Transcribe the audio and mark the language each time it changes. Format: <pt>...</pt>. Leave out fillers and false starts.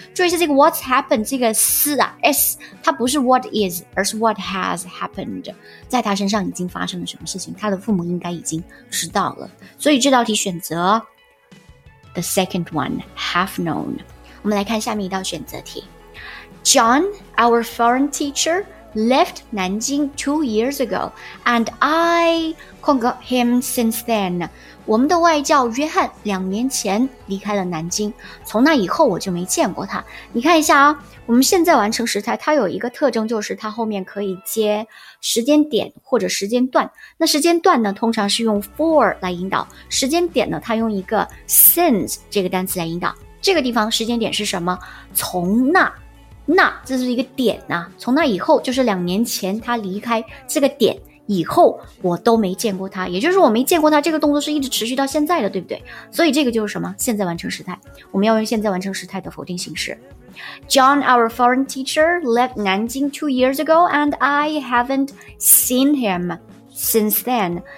<zh>注意一下这个</zh> <en>what's happened,</en> <zh>这个 S 它不是</zh> <en>what is,</en> <zh>而是</zh> <en>what has happened,</en> <zh>在他身上已经发生了什么事情，他的父母应该已经知道了，所以这道题选择</zh> <en>the second one, have known.</en> <zh>我们来看下面一道选择题。</zh> <en>John, our foreign teacher,left Nanjing 2 years ago, and I</en> <zh>空格</zh> <en>him since then.</en> <zh>我们的外教约翰两年前离开了南京，从那以后我就没见过他。你看一下啊，我们现在完成时态它有一个特征，就是它后面可以接时间点或者时间段。那时间段呢，通常是用 for 来引导，时间点呢，它用一个 since 这个单词来引导。这个地方时间点是什么？从那。那这是一个点啊，从那以后就是两年前他离开这个点以后我都没见过他，也就是我没见过他这个动作是一直持续到现在的，对不对？所以这个就是什么？现在完成时态，我们要用现在完成时态的否定形式。</zh> <en>John, our foreign teacher, left Nanjing 2 years ago and I haven't seen him since then.</en>